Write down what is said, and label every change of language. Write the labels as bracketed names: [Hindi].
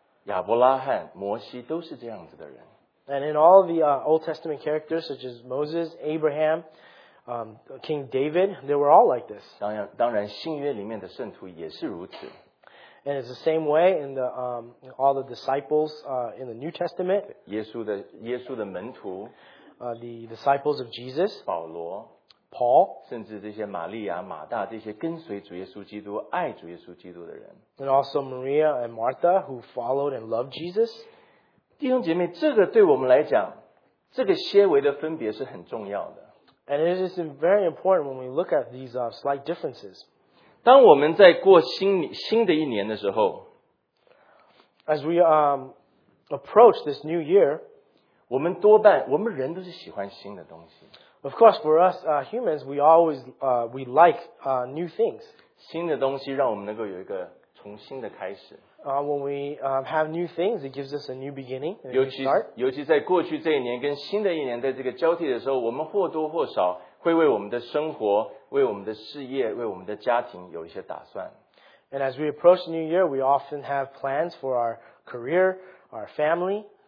[Chinese] 旧约里面的，当然我们可以想到的，大卫、约书亚、亚伯拉罕、摩西都是这样子的人。 [English] And in all the Old Testament characters, such as Moses, Abraham, King David, they were all like this. [Chinese] 当然新约里面的圣徒也是如此。 [English] And it's the same way in the all the disciples in the New Testament. [Chinese] 耶稣的门徒, [English] the disciples of Jesus, [Chinese] 保罗, [English] Paul, [Chinese] 甚至这些玛利亚、马大这些跟随主耶稣基督、爱主耶稣基督的人, [English] and also Maria and Martha who followed and loved Jesus. [Chinese] 弟兄姐妹，这个对我们来讲，这个些微的分别是很重要的。 [English] And it is very important when we look at these slight differences. [Chinese] 当我们在过新的一年的时候， [English] As we approach this new year, [Chinese] 我们人都是喜欢新的东西。 [English] Of course, for us humans, we always we like new things. [Chinese] 新的东西让我们能够有一个重新的开始。 [English] When we have new things, it gives us a new beginning, a new start. [Chinese] 尤其在过去这一年跟新的一年在这个交替的时候，我们或多或少 会为我们的生活、为我们的事业、为我们的家庭有一些打算。 [English] And as we approach New Year, we often have plans for our career, our family.